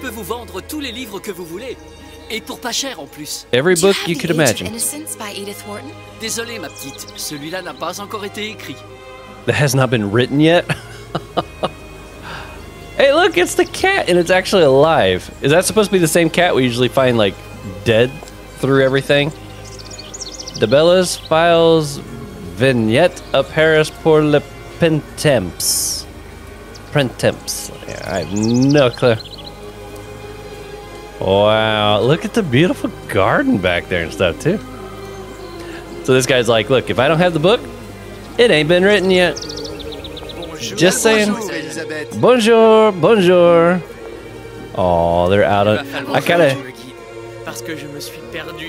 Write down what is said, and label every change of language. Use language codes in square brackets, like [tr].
[fr] Je peux vous vendre tous les livres que vous voulez. Et pour pas cher en plus. [en] Every book you could imagine. Do you have The Age of Innocence by Edith Wharton? [fr] Désolé, ma petite. Celui-là n'a pas encore été écrit. [en] That has not been written yet? Hey, look, it's the cat, and it's actually alive. Is that supposed to be the same cat we usually find, like, dead through everything? [fr] Debella's files vignette a Paris pour le printemps. [en] Printemps. Yeah, I have no clue. Wow, look at the beautiful garden back there and stuff, too. So this guy's like, look, if I don't have the book, it ain't been written yet. [fr] Bonjour. [en] Just saying. [fr] Bonjour, [en] bonjour. Oh, they're out of... I kind of...